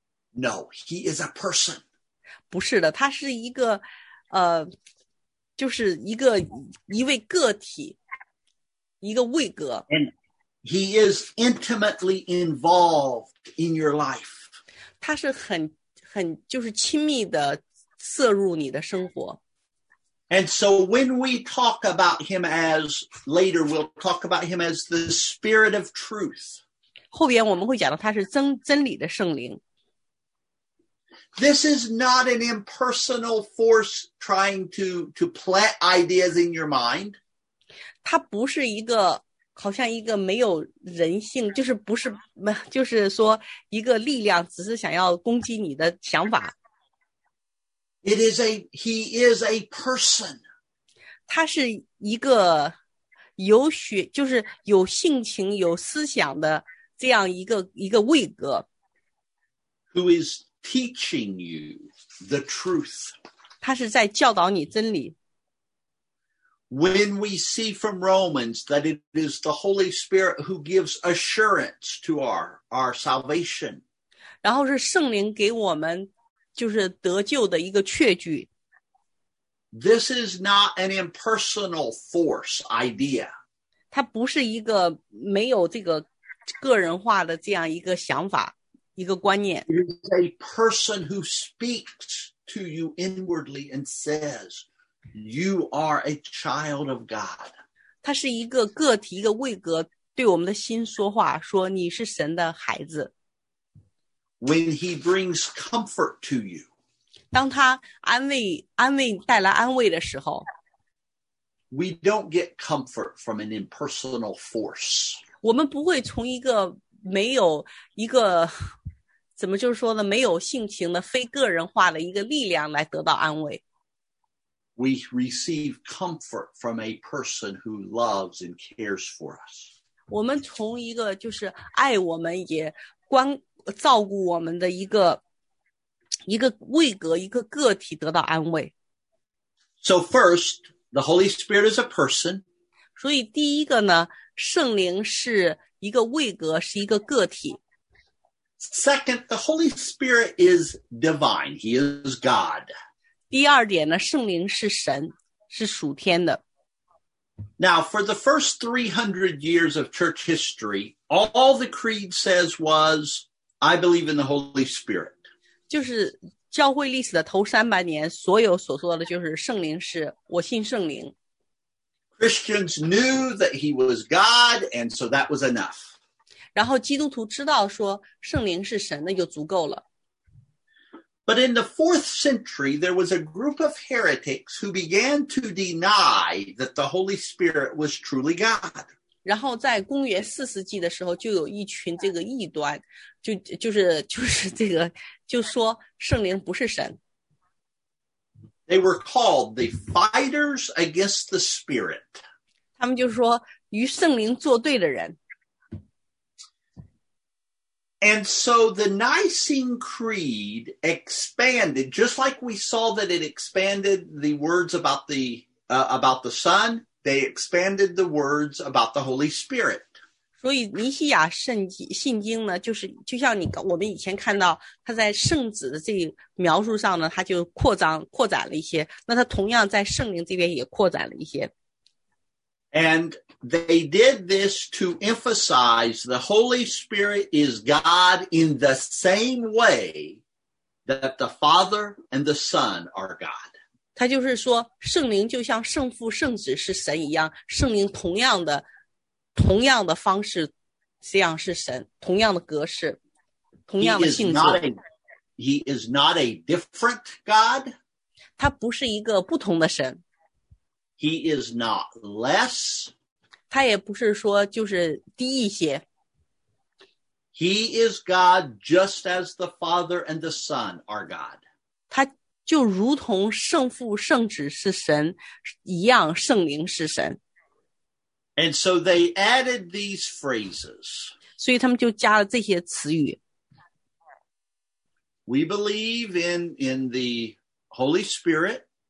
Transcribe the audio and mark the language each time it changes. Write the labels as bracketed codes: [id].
[en] No, he is a person. [zh] 不是的，他是一个，就是一位个体，一个位格。 [en] And he is intimately involved in your life. [zh] 他是很就是亲密的涉入你的生活。 [en] And so when we talk about him as, later we'll talk about him as the Spirit of Truth. [zh] 后边我们会讲到他是真理的圣灵。 [en] This is not an impersonal force trying to plant ideas in your mind. [zh] 他不是一个好像一个没有人性，就是不是，就是说一个力量只是想要攻击你的想法。 [en] It is a, he is a person. [zh] 他是一个有血，就是有性情，有思想的这样一个位格。 [en] Who is teaching you the truth? [zh] 他是在教导你真理。 [en] When we see from Romans that it is the Holy Spirit who gives assurance to our salvation. [zh] 然后是圣灵给我们就是得救的一个确据。 [en] This is not an impersonal force idea. [zh] 它不是一个没有这个个人化的这样一个想法，一个观念。 [en] It is a person who speaks to you inwardly and says, you are a child of God. [zh] 它是一个个体，一个位格，对我们的心说话，说你是神的孩子。 [en] When he brings comfort to you, [zh] 当他安慰带来安慰的时候， [en] we don't get comfort from an impersonal force. [zh] 我们不会从一个没有一个怎么就是说呢，没有性情的非个人化的一个力量来得到安慰。 [en] We receive comfort from a person who loves and cares for us. [zh] 我们从一个就是爱我们也关照顾我们的一个位格，一个个体得到安慰。 [en] So first, the Holy Spirit is a person. [zh] 所以第一个呢，圣灵是一个位格，是一个个体。 [en] Second, the Holy Spirit is divine. He is God. [zh] 第二点呢，圣灵是神，是属天的。 [en] Now, for the first 300 years of church history, all the creed says was, I believe in the Holy Spirit. [zh] 就是教会历史的头300年，所有所说的就是圣灵是，我信圣灵。 [en] Christians knew that he was God, and so that was enough. [zh] 然后基督徒知道说圣灵是神，那就足够了。 [en] But in the 4th century, there was a group of heretics who began to deny that the Holy Spirit was truly God. [zh] 然后在公元四世纪的时候，就有一群这个异端，就是这个，就说圣灵不是神。 [en] They were called the fighters against the spirit. [zh] 他们就是说与圣灵作对的人。 [en] And so the Nicene Creed expanded, just like we saw that it expanded the words about the Son. They expanded the words about the Holy Spirit. [zh] 所以尼西亚信经呢，就是就像你我们以前看到他在圣子的这描述上呢，他就扩展了一些。那他同样在圣灵这边也扩展了一些。 [en] And they did this to emphasize the Holy Spirit is God in the same way that the Father and the Son are God. [zh] 他就是说圣灵就像圣父圣子是神一样，圣灵同样的方式这样是神，同样的格式，同样的性质。 [en] He is not a different God. [zh] 他不是一个不同的神。 [en] He is not less. [zh] 他也不是说就是低一些。 [en] He is God just as the Father and the Son are God. [zh] 他就如同圣父圣子是神一样，圣灵是神。 [en] And so they added these phrases. [zh] 所以他们就加了这些词语。 [en] We believe in the Holy Spirit.